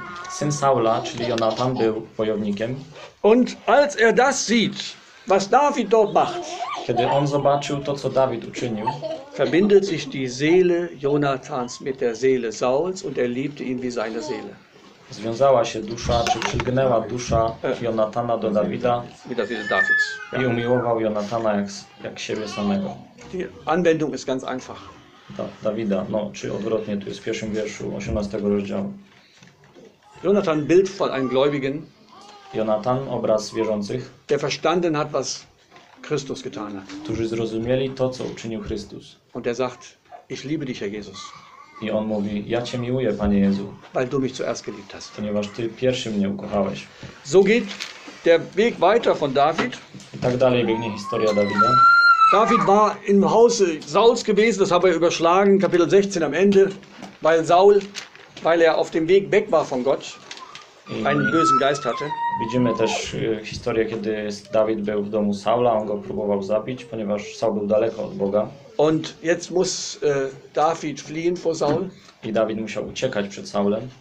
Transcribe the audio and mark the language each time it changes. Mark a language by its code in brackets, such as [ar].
[pl] Syn Saula, czyli Jonathan, był wojownikiem. [de] Und als er das sieht, was David dort macht, [pl] kiedy on zobaczył to, co Dawid uczynił, [de] verbindet sich die Seele Jonathans mit der Seele Sauls und er liebte ihn wie seine Seele. [pl] Związała się dusza, czy przylgnęła dusza Jonatana do Dawida i umiłował Jonatana jak siebie samego. [de] Die Anwendung ist ganz einfach. [pl] Dawida, no, czy odwrotnie, tu jest w pierwszym wierszu 18 rozdziału. [de] Jonathan Bild von einem Gläubigen. [pl] Jonathan, obraz wierzących. [de] Der verstanden hat, was Christus getan hat. [pl] Którzy zrozumieli to, co uczynił Chrystus. [de] Und er sagt, ich liebe dich, Herr Jesus. [pl] I on mówi, ja Cię miłuję, Panie Jezu. [de] Weil du mich zuerst geliebt hast. [pl] Ponieważ Ty pierwszy mnie ukochałeś. [de] So geht der Weg weiter von David. [pl] I tak dalej biegnie historia Dawida. [de] David war im Hause Sauls gewesen, das haben wir überschlagen, Kapitel 16 am Ende, weil er auf dem Weg weg war von Gott, einen bösen Geist hatte. [pl] Widzimy też historię, kiedy Dawid był w domu Saula, on go próbował zabić, ponieważ Saul był daleko od Boga. [de] Und jetzt muss David fliehen vor Saul. [pl] I Dawid musiał uciekać przed Saulem.